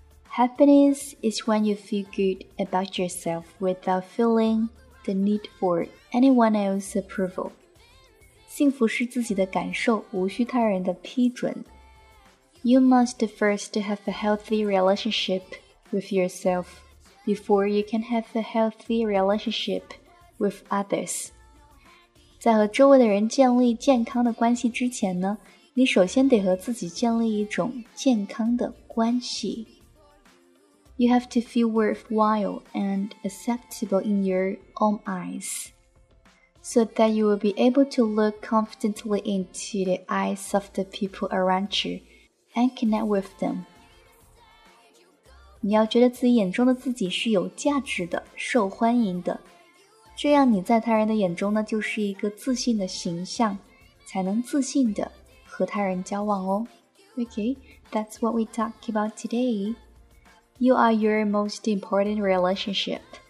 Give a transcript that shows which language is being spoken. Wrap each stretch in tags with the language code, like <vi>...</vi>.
<en>Happiness is when you feel good about yourself without feeling the need for anyone else's approval.</en> <zh>幸福是自己的感受，无需他人的批准。</zh> <en>You must first have a healthy relationship with yourself before you can have a healthy relationship with others.</en> <zh>在和周围的人建立健康的关系之前呢，你首先得和自己建立一种健康的关系。</zh> <en>You have to feel worthwhile and acceptable in your own eyes, so that you will be able to look confidently into the eyes of the people around you. And connect with them.</en> <zh>你要觉得自己眼中的自己是有价值的，受欢迎的，这样你在他人的眼中呢，就是一个自信的形象，才能自信的和他人交往哦。</zh> <en>Okay, that's what we talk about today. You are your most important relationship.</en>